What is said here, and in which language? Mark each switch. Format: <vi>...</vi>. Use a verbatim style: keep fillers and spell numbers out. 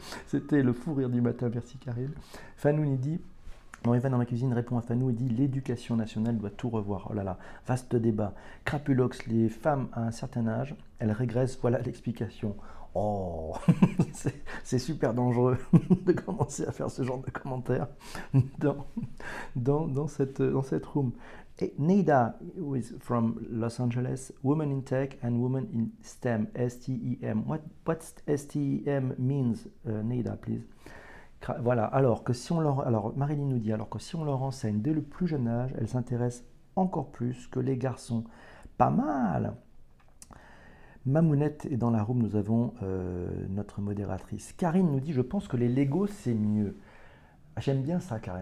<fr>C'était le fou rire du matin, merci Karine. Fanou nous dit « Bon, Eva dans ma cuisine répond à Fanou et dit « L'éducation nationale doit tout revoir. » Oh là là, vaste débat. Crapulox, les femmes à un certain âge, elles régressent, voilà l'explication. Oh, c'est, c'est super dangereux de commencer à faire ce genre de commentaires dans, dans, dans, cette, dans cette room.</fr> <en>Et Neda, who is from Los Angeles, Women in Tech and Women in STEM, S T E M. What, what S T E M means, uh, Neda, please?</en> <fr>Voilà, alors que si on leur... Alors, Marilyn nous dit, alors que si on leur enseigne dès le plus jeune âge, elles s'intéressent encore plus que les garçons. Pas mal! Mamounette est dans la room, nous avons euh, notre modératrice. Karine nous dit « Je pense que les Legos, c'est mieux ». J'aime bien ça, Karine.</fr>